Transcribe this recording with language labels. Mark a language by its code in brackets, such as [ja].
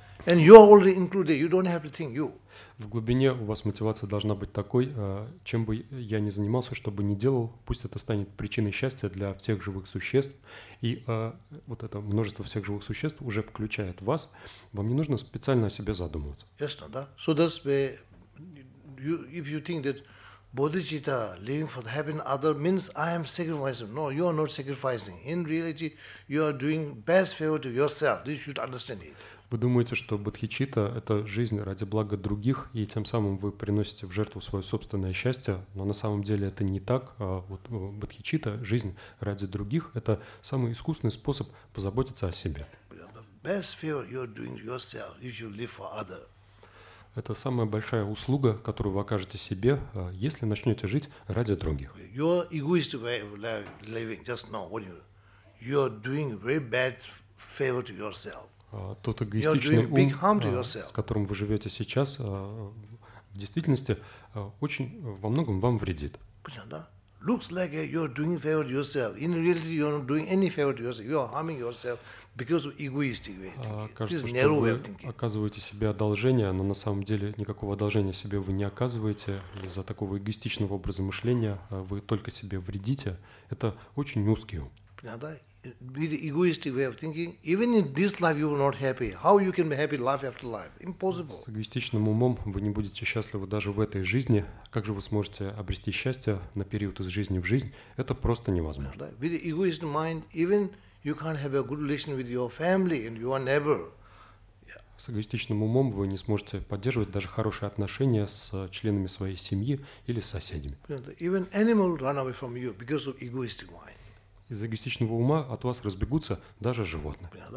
[en] And you are already included, you don't have to think you. [ru] В глубине у вас мотивация должна быть такой, чем бы я ни занимался, что бы ни делал, пусть это станет причиной счастья для всех живых существ. И вот это множество всех живых существ уже включает вас. Вам не нужно специально о себе задумываться. Ясно, да? [en] So, that's where... If you think that bodhicitta living for the happiness of other means I am sacrificing, no, you are not sacrificing. In reality, you are doing best favor to yourself. This you should understand it. [ru] Вы думаете, что бодхичитта — это жизнь ради блага других, и тем самым вы приносите в жертву свое собственное счастье, но на самом деле это не так. Вот бодхичитта — жизнь ради других — это самый искусный способ позаботиться о себе. [en] The best favor you are doing yourself if you live for other. [ru] Это самая большая услуга, которую вы окажете себе, если начнете жить ради других. [en] Your egoistic way of living just now, when you are doing very bad favor to yourself. [ru] Тот эгоистичный ум, с которым вы живете сейчас, в действительности очень во многом вам вредит. [en] Looks like you're doing favor to yourself. In reality, you're not doing any favor to yourself. You're harming yourself because of egoistic way of thinking. [ru] Кажется, что вы оказываете себе одолжение, но на самом деле никакого одолжения себе вы не оказываете из-за такого эгоистичного образа мышления. Вы только себе вредите. Это очень узкий ум. Понятно? [en] With egoistic way of thinking, even in this life you are not happy. How you can be happy life after life? Impossible. [ru] С эгоистичным умом вы не будете счастливы даже в этой жизни. Как же вы сможете обрести счастье на период из жизни в жизнь? Это просто невозможно. [en] With egoistic mind, even you can't have a good relation with your family and your neighbor. [ru] С эгоистичным умом вы не сможете поддерживать даже хорошие отношения с членами своей семьи или с соседями. [en] Even animals run away from you because of egoistic mind. [ru] Из эгоистичного ума от вас разбегутся даже животные.